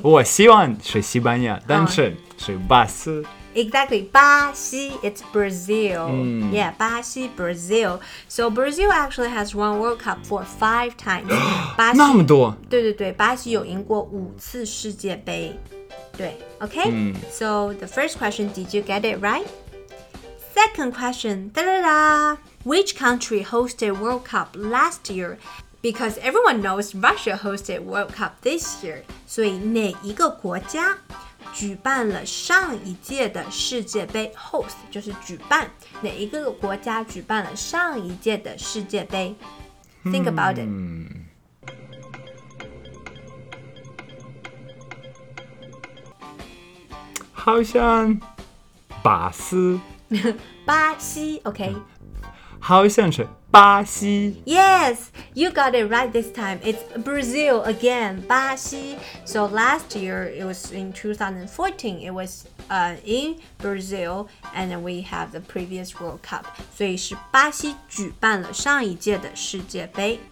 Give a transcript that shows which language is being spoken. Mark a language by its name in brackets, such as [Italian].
[Chinese] 我希望是西班牙但是是巴斯 [English] Exactly, 巴西 it's Brazil. Yeah, 巴西 Brazil. So Brazil actually has won World Cup for 5 times. 巴西 [Chinese] 那么多？对对对，巴西有赢过五次世界杯。 [English] 对 ，Okay.、So the first question, did you get it right? Second question, Which country hosted World Cup last year? Because everyone knows Russia hosted World Cup this year. [Chinese] 所以哪一个国家？举办了上一届的世界杯 host 就是举办哪一个国家举办了上一届的世界杯 [English] Think about it [Chinese] 好像巴西巴西 OK 好像是巴西 [English] Yes You got it right this time. It's Brazil again, 巴西 So last year, it was in 2014. It was in Brazil, and we have the previous World Cup. [Chinese] 所以是巴西举办了上一届的世界杯。